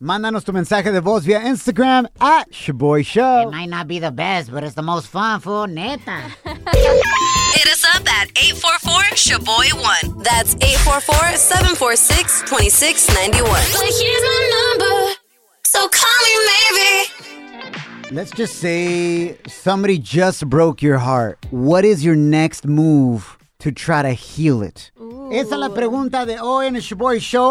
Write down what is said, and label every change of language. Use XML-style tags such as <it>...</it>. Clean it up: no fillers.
<es>Mándanos tu mensaje de voz via Instagram at Shaboy Show.</es> <en>It might not be the best, but it's the most fun for neta. Hit us up at 844-SHABOY1. That's 844-746-2691. But here's my number, so call me maybe. Let's just say somebody just broke your heart. What is your next move to try to heal it? Ooh.</en> <es>Esa es la pregunta de hoy en el Shaboy Show.</es>